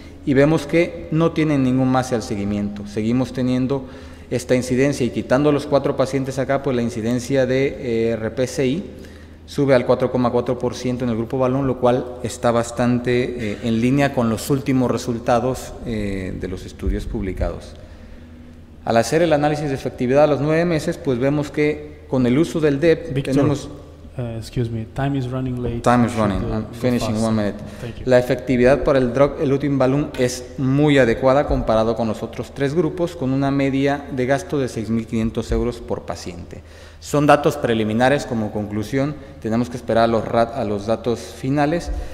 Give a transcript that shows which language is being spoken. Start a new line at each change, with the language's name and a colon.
Spanish: Y vemos que no tienen ningún más al seguimiento. Seguimos teniendo esta incidencia, y quitando los 4 pacientes acá, pues la incidencia de RPCI sube al 4,4% en el grupo balón, lo cual está bastante en línea con los últimos resultados de los estudios publicados. Al hacer el análisis de efectividad a los 9 meses, pues vemos que con el uso del DEP, Victor, tenemos...
English: excuse me, time is running late. Time is running, I'm finishing fast. 1 minute. Thank you.
Spanish: La efectividad para el drug eluting balloon es muy adecuada comparado con los otros 3 grupos, con una media de gasto de 6.500 euros por paciente. Son datos preliminares. Como conclusión, tenemos que esperar a los datos finales.